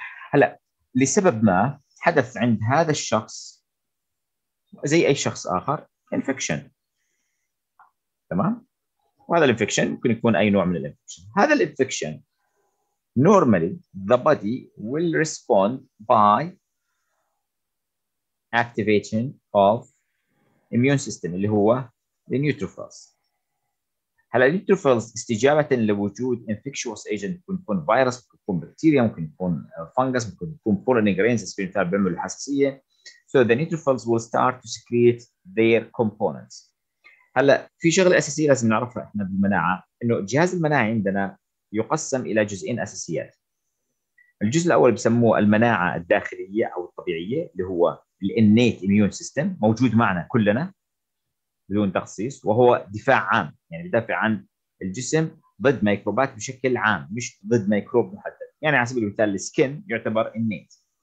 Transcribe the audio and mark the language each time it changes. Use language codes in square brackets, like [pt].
[ar] هلا لسبب ما حدث عند هذا الشخص زي اي شخص اخر انفكشن، تمام؟ وهذا الانفكشن ممكن يكون اي نوع من الانفكشن، هذا الانفكشن [en] normally the body will respond by activation of immune system [ar] اللي هو [en] the neutrophils. [ar] هلا neutrophils استجابة لوجود [en] infectious agent [ar] ممكن يكون virus ممكن يكون bacteria ممكن يكون fungus ممكن يكون [en] pollen grains [ar] في مثال بيعملوا الحساسية. [en] So the neutrophils will start to secrete their components. [ar] هلا في شغلة أساسية لازم نعرفها احنا بالمناعة، انه جهاز المناعة عندنا يقسم الى جزئين اساسيات. الجزء الاول بسموه المناعه الداخليه او الطبيعيه اللي هو الانيت اميون سيستم، موجود معنا كلنا بدون تخصيص، وهو دفاع عام، يعني بدافع عن الجسم ضد ميكروبات بشكل عام مش ضد ميكروب محدد، يعني على سبيل المثال السكن يعتبر انيت.